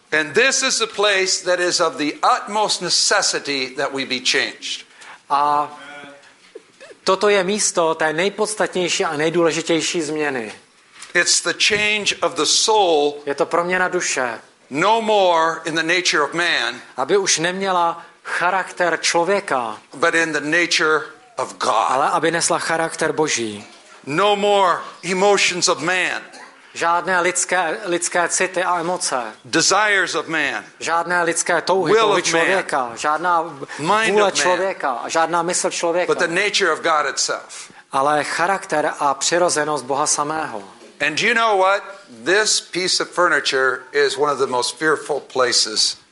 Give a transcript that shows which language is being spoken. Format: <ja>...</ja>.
<en>And this is the place that is of the utmost necessity that we be changed.</en> <cs>A toto je místo té nejpodstatnější a nejdůležitější změny.</cs> <en>It's the change of the soul.</en> <cs>Je to proměna duše.</cs> <en>No more in the nature of man.</en> <cs>Aby už neměla charakter člověka.</cs> <en>But in the nature of God.</en> <cs>Ale aby nesla charakter Boží.</cs> <en>No more emotions of man.</en> <cs>Žádné lidské city a emoce.</cs> <en>Desires of man.</en> <cs>Žádné lidské touhy,</cs> <en>will</en> <cs>touhy člověka. Žádná</cs> <en>mind</en> <cs>vůle člověka. A žádná mysl člověka.</cs> <en>But the nature of God itself.</en> <cs>Ale charakter a přirozenost Boha samého.</cs> <en>And you know what? This piece of furniture is one of the most fearful places.</en>